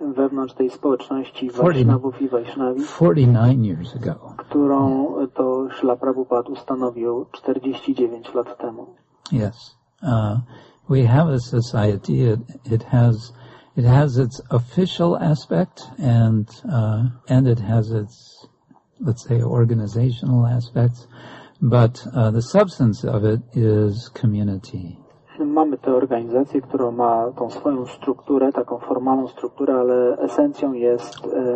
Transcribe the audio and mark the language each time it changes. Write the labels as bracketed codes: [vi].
[pl] Wewnątrz tej społeczności Vaishnavów i Vaishnavi. [en] 49 years ago. [pl] Którą to Srila Prabhupada ustanowił 49 lat temu. [en] Yes. We have a society, it has its official aspect and it has its, let's say, organizational aspects, but the substance of it is community. [pl] Mamy tę organizację, która ma tą swoją strukturę, taką formalną strukturę, ale esencją jest